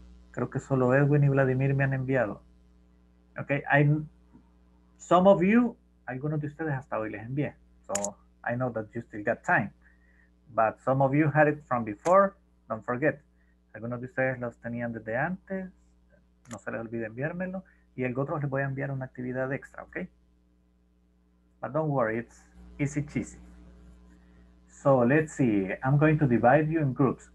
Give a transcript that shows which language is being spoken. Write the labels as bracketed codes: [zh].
[es] Creo que solo Edwin y Vladimir me han enviado. Ok, [en] some of you, [es] algunos de ustedes hasta hoy les envié. [en] So I know that you still got time. But some of you had it from before, don't forget. [es] Algunos de ustedes los tenían desde antes, no se les olvide enviármelo. Y el otro les voy a enviar una actividad extra, ok? [en] But don't worry, it's easy cheesy. So let's see, I'm going to divide you in groups.